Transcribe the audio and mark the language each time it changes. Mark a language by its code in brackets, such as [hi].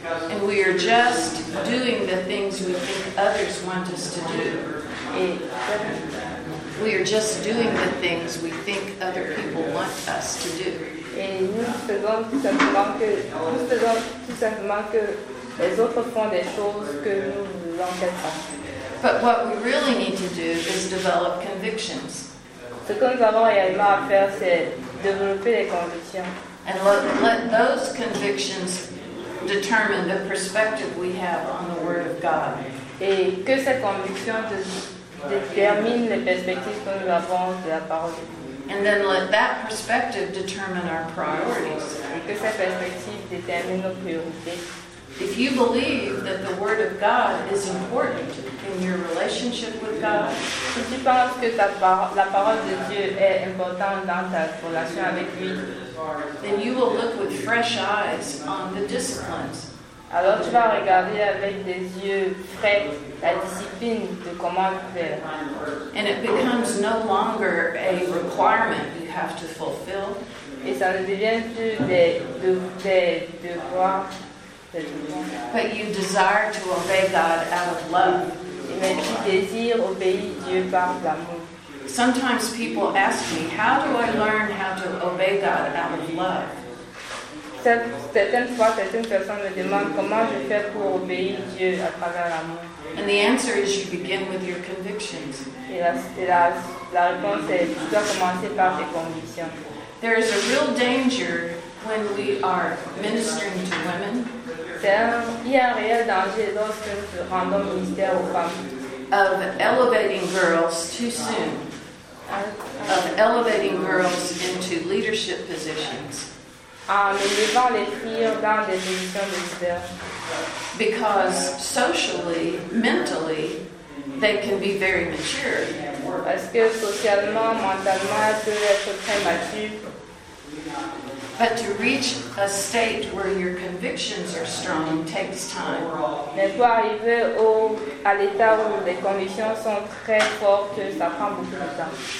[en] And we are just doing the things we think others want us to do. We are just doing the things we think other people want us to do. [fr] Et nous faisons tout simplement que les autres font des choses que nous ne voulons pas faire. [en] But what we really need to do is develop convictions. [fr] Ce que nous avons réellement à faire, c'est développer les convictions. [en] And let those convictions determine the perspective we have on the Word of God. [fr] Et que cette conviction détermine les perspectives que nous avons de la parole de Dieu. [en] And then let that perspective determine our priorities. [fr] Et que cette perspective détermine nos priorités. [en] If you believe that the Word of God is important in your relationship with God, [fr] si tu penses que la parole de Dieu est importante dans ta relation avec lui, [en] then you will look with fresh eyes on the disciplines. [fr] Alors tu vas regarder avec des yeux frais la discipline de comment faire. [en] And it becomes no longer a requirement you have to fulfill. [fr] Et ça ne devient plus des devoirs. [en] But you desire to obey God out of love. [fr] Et mais tu désires obéir Dieu par l'amour. [en] Sometimes people ask me, how do I learn how to obey God out of love? [fr] Certaines fois, certaines personnes me demandent comment je fais pour obéir Dieu à travers l'amour. [en] And the answer is you begin with your convictions. [fr] Et la réponse est, tu dois commencer par tes convictions. [en] There is a real danger when we are ministering to women. [fr] Il y a un réel danger lorsque nous rendons ministère aux femmes. [en] Of elevating girls too soon. Of elevating girls into leadership positions. [fr] En élevant les filles dans des positions de leader. [en] Because socially, mentally, they can be very mature. [fr] Parce que socialement, mentalement, elles peuvent être très matures. [en] But to reach a state where your convictions are strong takes time. [fr] Mais pour arriver à l'état où les convictions sont très fortes, ça prend beaucoup de temps.